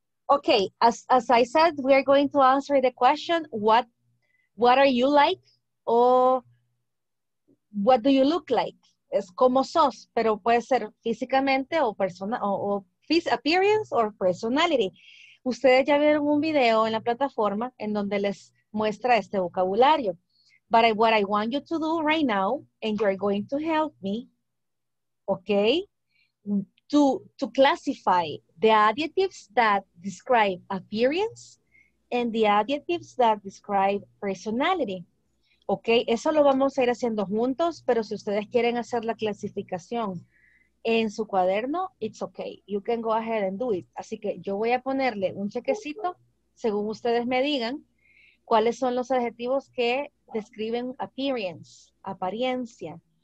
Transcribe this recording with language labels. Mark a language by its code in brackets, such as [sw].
[en] Okay, as I said, we are going to answer the question, what are you like? Or what do you look like? [es] Es como sos, pero puede ser físicamente o [en] appearance or personality. [es] Ustedes ya vieron un video en la plataforma en donde les muestra este vocabulario. [en] But what I want you to do right now, and you're going to help me, okay, to classify the adjectives that describe appearance and the adjectives that describe personality. [es] Okay, eso lo vamos a ir haciendo juntos, pero si ustedes quieren hacer la clasificación en su cuaderno, [en] it's okay. You can go ahead and do it. [es] Así que yo voy a ponerle un chequecito, según ustedes me digan, cuáles son los adjetivos que describen appearance, apariencia.